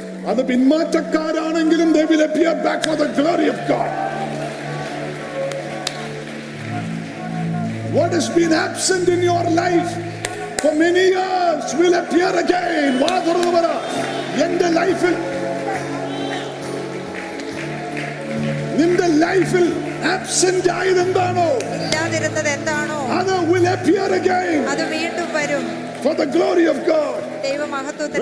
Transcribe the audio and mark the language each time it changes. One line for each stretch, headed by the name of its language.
Malayalam: അത് പിന്മാറ്റക്കാരാണെങ്കിലും
English: they will appear back for the glory of God. What has been absent in your life for many years will appear again.
Malayalam: വാ തുറന്നു പറ, എന്റെ ലൈഫിൽ, നിന്റെ ലൈഫിൽ absent ആയത് എന്താണോ, ഇല്ലാതിരുന്നത് എന്താണോ,
English: അത് will appear again.
Malayalam: അത് വീണ്ടും വരും.
English: For the glory of God.
Malayalam: ദൈവ മഹത്വത്തിനായി.